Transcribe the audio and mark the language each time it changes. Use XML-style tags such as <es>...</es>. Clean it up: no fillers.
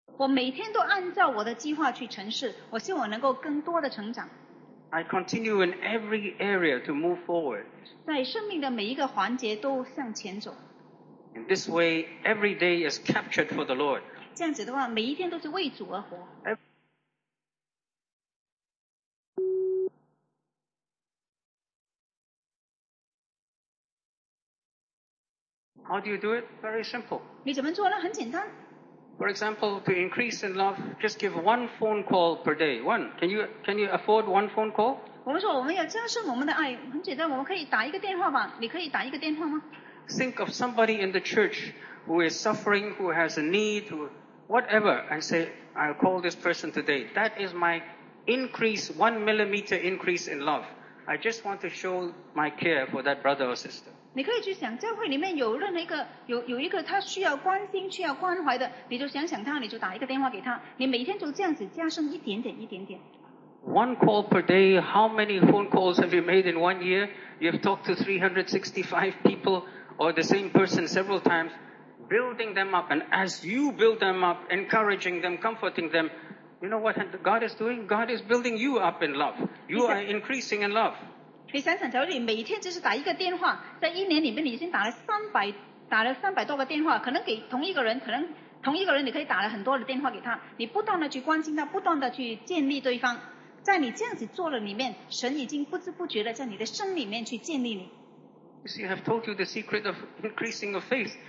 <zh>我每天都按照我的计划去成事，我希望我能够更多的成长。</zh> <en>I continue in every area to move forward.</en> <zh>在生命的每一个环节都向前走。</zh> <en>In this way, every day is captured for the Lord.</en> <zh>这样子的话，每一天都是为主而活。</zh> <en>How do you do it? Very simple.</en> <zh>你怎么做呢？很简单。</zh> <en>For example, to increase in love, just give one phone call per day. One. Can you afford one phone call?</en> <zh>我们说我们要加深我们的爱，很简单，我们可以打一个电话吧。你可以打一个电话吗？</zh> <en>Think of somebody in the church who is suffering, who has a need, who whatever, and say, I'll call this person today. That is my increase, 1 millimeter increase in love. I just want to show my care for that brother or sister.</en> <zh>你可以去想教会里面有任何一个 有一个他需要关心需要关怀的，你就想想他，你就打一个电话给他，你每天就这样子加深一点点一点点。</zh> <en>One call per day, how many phone calls have you made in 1 year? You've talked to 365 people or the same person several times, building them up, and as you build them up, encouraging them, comforting them, you know what God is doing? God is building you up in love. You are increasing in love.</en> <zh>你想想，假如你每天只是打一个电话，在一年里面你已经打了三百多个电话，可能给同一个人，可能同一个人你可以打了很多的电话给他，你不断的去关心他，不断的去建立对方，在你这样子做的里面，神已经不知不觉的在你的身里面去建立你。</zh> <en>You see, I have told you the secret of increasing of faith.</en>